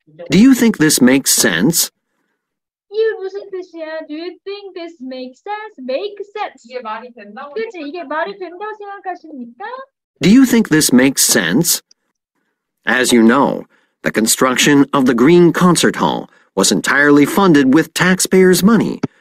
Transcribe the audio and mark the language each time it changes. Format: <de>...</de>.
<en>도 you think this makes sense?</en> <ko>이게 무슨 뜻이야?</ko> <en>Do you think this makes sense? Make sense.</en> <ko>이게 말이 된다고 그치? 이게 말이 된다고 생각하십니까?</ko> <en>Do you think this makes sense? As you know, the construction of the Green Concert Hall was entirely funded with taxpayers' money.</en>